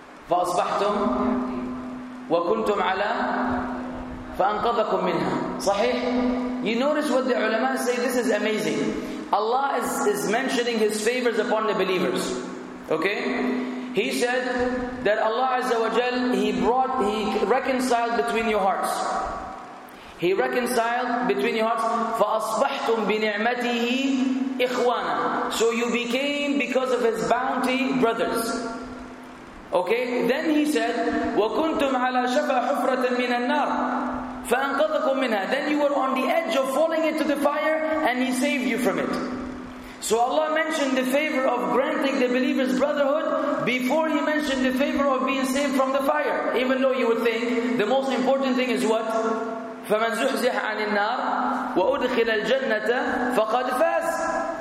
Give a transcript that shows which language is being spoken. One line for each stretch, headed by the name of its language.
Arabic: فأصبحتم وكنتم على فأنقذكم منها. صحيح.
English: You notice what the ulama say, this is amazing. Allah is mentioning His favors upon the believers. Okay? He said that Allah Azza wa Jal, He reconciled between your hearts. He reconciled between your hearts.
Arabic: فَأَصْبَحْتُمْ بِنِعْمَتِهِ إِخْوَانًا.
English: So you became, because of His bounty, brothers. Okay? Then He said,
Arabic: وَكُنْتُمْ عَلَى شَفَى حُفْرَةً مِنَ النَّارِ فَأَنْقَذَكُمْ مِنْهَا.
English: Then you were on the edge of falling into the fire, and He saved you from it. So Allah mentioned the favor of granting the believers brotherhood before He mentioned the favor of being saved from the fire. Even though you would think the most important thing is what?
Arabic: فَمَنْ زُحْزِحْ عَنِ النَّارِ وَأُدْخِلَ الْجَنَّةَ فَقَدْ فَازَ.